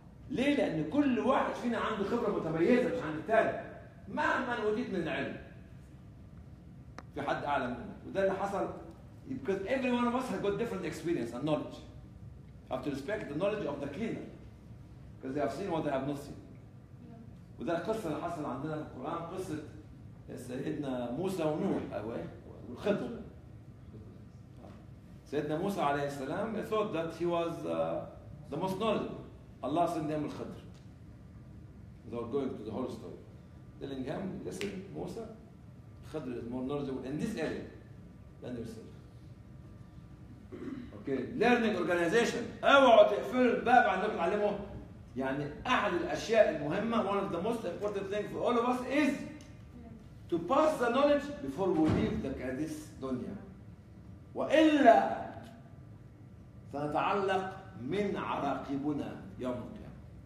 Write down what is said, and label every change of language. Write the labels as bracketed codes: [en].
[ar] ليه؟ لأن كل واحد فينا عنده خبرة متميزة مش عند التاني مهما وديت من العلم في حد أعلى منه. وده اللي حصل [en] because every one of us has got different experience and knowledge. I have to respect the knowledge of the cleaner because they have seen what they have not seen. [ar] وده القصة اللي حصل عندنا في القرآن قصة سيدنا موسى ونوح والخضر. سيدنا موسى عليه السلام [en] thought that he was the most knowledgeable. Allah sent him الخضر without going to the whole story. Telling him, listen, موسى, الخضر is more knowledgeable in this area than yourself. Okay, learning organization. [ar] اوعوا تقفلوا الباب عندكم تعلموا. يعني احد الاشياء المهمة, [en] one of the most important things for all of us is to pass the knowledge before we leave the Qadis dunya. [ar] وإلا سنتعلق من عراقبنا يوم القيامة.